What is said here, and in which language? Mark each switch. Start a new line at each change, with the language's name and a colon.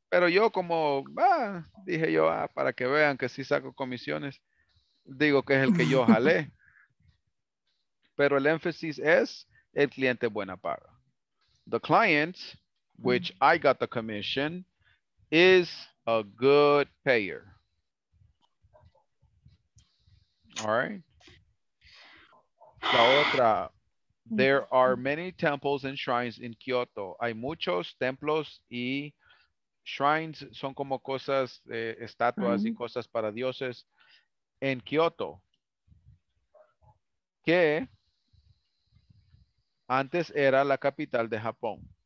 Spanish: Pero yo como, dije yo, para que vean que sí saco comisiones, digo que es el que yo jalé. Pero el énfasis es el cliente buena paga.
English: The client, which I got the commission, is a good payer. All right.
Spanish: La otra.
English: There are many temples and shrines in Kyoto.
Spanish: Hay muchos templos y shrines son como cosas, estatuas y cosas para dioses en Kyoto. que antes era la capital de Japón.